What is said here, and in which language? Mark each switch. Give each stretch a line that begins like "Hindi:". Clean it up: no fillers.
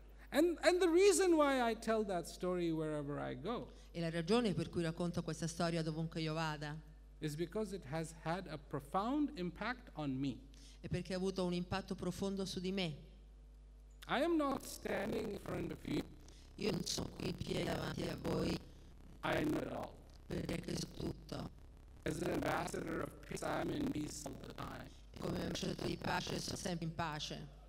English: And the reason why I tell that story wherever I go.
Italian: E la ragione per cui racconto questa storia dovunque io vada.
English: Is because it has had a profound impact on me.
Italian: È perché ha avuto un impatto profondo su di me.
English: I am not standing in front of you.
Italian: Io non sono qui in piedi davanti a voi.
English: I know it all.
Italian: Perché so tutto.
English: As an ambassador of peace, I'm in peace all the time.
Italian: Come ambasciatore di pace sono sempre in pace.